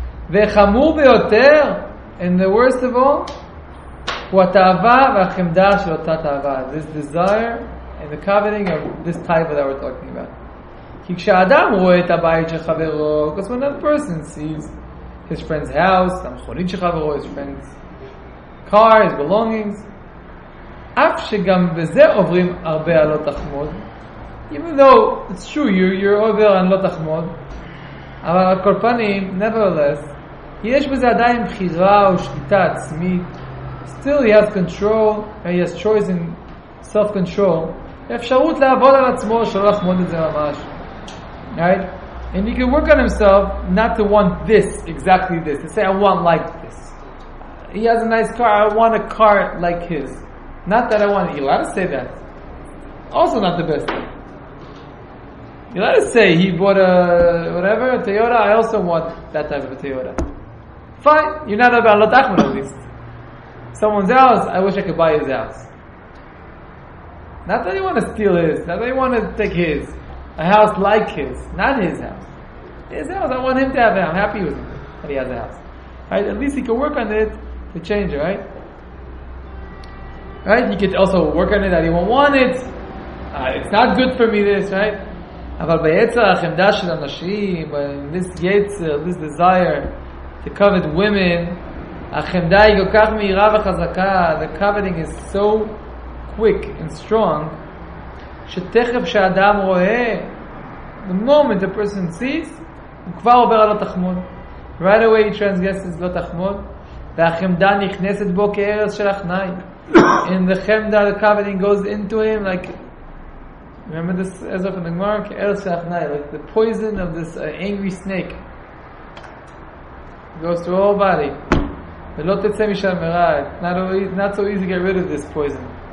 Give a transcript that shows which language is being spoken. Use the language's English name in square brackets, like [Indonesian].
[Hebrew] וחמור ביותר, [English] and the worst of all, [Hebrew] הוא התאווה והחמדה של אותה תאווה. [English] This desire and the coveting of this type that we're talking about. [Hebrew] כי כשאדם רואה את הבית של חברו, [English] because when that person sees his friend's [Hebrew] house, המכונית של חברו, his friend's [English] car, his belongings, [Hebrew] אף שגם בזה עוברים הרבה על לא תחמוד, [English] even though it's true, you're over [Hebrew] על לא תחמוד, אבל כל פנים, [English] nevertheless, [Hebrew] יש בזה עדיין בחירה או שליטה עצמית, [English] still he has control, he has choice in self-control, [Hebrew] אפשרות לעבוד על עצמו שלא לחמוד את זה ממש. [English] Right, and he can work on himself not to want this, exactly this, to say I want like this. He has a nice car, I want a car like his, not that I want it. You're allowed to say that, also not the best thing. You're allowed to say he bought a Toyota, I also want that type of a Toyota. Fine, you're not about Lot Achman, at least someone's house, I wish I could buy his house. Not that you want to steal his, not that you want to take his. A house like his, not his house. His house, I want him to have it. I'm happy with him that he has a house. Right? At least he can work on it to change it, right? Right? He could also work on it that he won't want it. It's not good for me, this, right? [Hebrew] אבל ביצר החמדה של אנשים, this יצר, [English] this desire to covet women, [Hebrew] החמדה היא כל כך מהירה וחזקה, [English] the coveting is so quick and strong, [Hebrew] שתכף שאדם רואה, [English] the moment the person sees, [Hebrew] הוא כבר עובר על לא תחמוד. [English] Right away he transgresses [Hebrew] לא תחמוד, והחמדה נכנסת בו כארץ של אחנאי. [English] And the chemda, the coveting goes into him, like, remember this, as of the Gemara, [Hebrew] כארץ של אחנאי, [English] like the poison of this angry snake. Goes to all body. [Hebrew] ולא תצא משם מרע, [English] not so easy to get rid of this poison.